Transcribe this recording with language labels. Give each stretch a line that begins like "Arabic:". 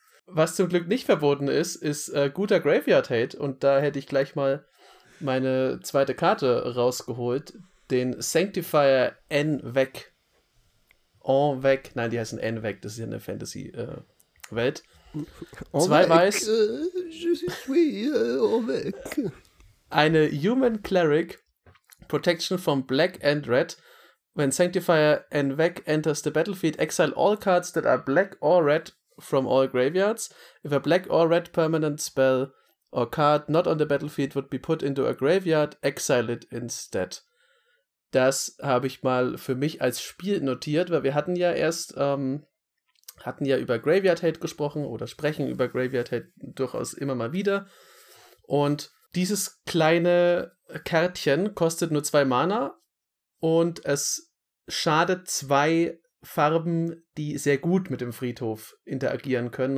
German: Was zum Glück nicht verboten ist, ist guter Graveyard-Hate. Und da hätte ich gleich mal meine zweite Karte rausgeholt, den Sanctifier Envec, das ist ja eine Fantasy-Welt. Zwei weiß.
French: Je suis
German: Envec.
English: Eine Human Cleric, Protection from Black and Red. When Sanctifier Envec enters the battlefield, exile all cards that are black or red from all graveyards. If a black or red permanent spell or card not on the battlefield would be put into a graveyard, exile it instead.
German: Das habe ich mal für mich als Spiel notiert, weil wir hatten ja erst über Graveyard Hate gesprochen oder sprechen über Graveyard Hate durchaus immer mal wieder. Und dieses kleine Kärtchen kostet nur 2 Mana und es schadet 2 Farben, die sehr gut mit dem Friedhof interagieren können.